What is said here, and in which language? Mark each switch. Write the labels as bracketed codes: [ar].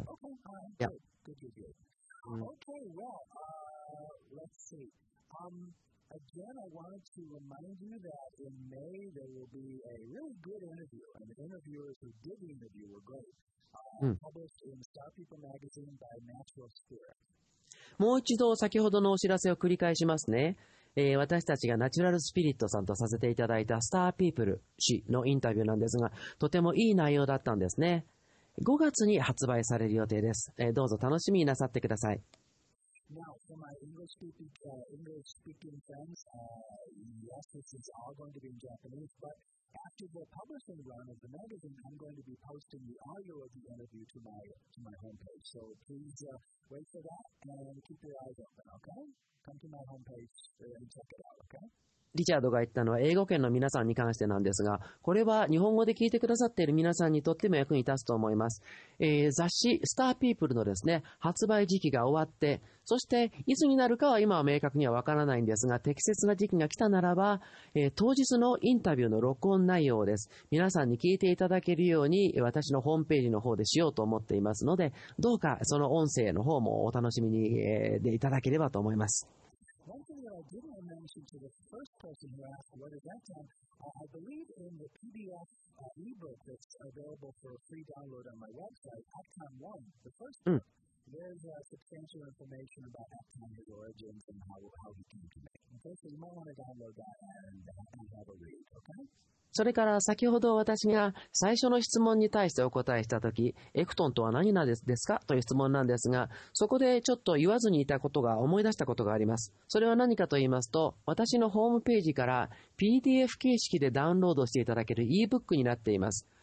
[en] Okay, good. Okay, well, let's see. Again, I wanted to remind you that in May there will be a really good interview, and the interviewers who did the interview were great. Published in Star People magazine by Natural Spirit. [ja] もう一度先ほどのお知らせを繰り返しますね。私たちがナチュラルスピリットさんとさせていただいたスターピープル氏のインタビューなんですが、とてもいい内容だったんですね。 5月に発売される予定です。どうぞ楽しみになさってください。 [en] Now, for my English-speaking friends, yes, this is all going to be in Japanese, but after the publishing run of the magazine, I'm going to be posting the audio of the interview to my homepage. So please wait for that and keep your eyes open, okay? Come to my homepage and check it out, okay? [ja] リチャードが言ったのは英語圏の皆さんに関してなんですが、これは日本語で聞いてくださっている皆さんにとっても役に立つと思います。雑誌スターピープルのですね、発売時期が終わって、そしていつになるかは今は明確にはわからないんですが、適切な時期が来たならば、当日のインタビューの録音内容をです。皆さんに聞いていただけるように私のホームページの方でしようと思っていますので、どうかその音声の方もお楽しみに、でいただければと思います。 [en] One thing that I didn't mention to the first person who asked what is that time, I believe in the PDF ebook that's available for a free download on my website, Halftime One, the first book. There's substantial information about Halftime, his origins, and how he came to make it. Okay, so you might want to download that and have a read, okay? [ja] それから先ほど私が最初の質問に対してお答えしたとき、エクトンとは何なんですかという質問なんですが、そこでちょっと言わずにいたことが思い出したことがあります。それは何かと言いますと、私のホームページから PDF 形式でダウンロードしていただける e-book になっています。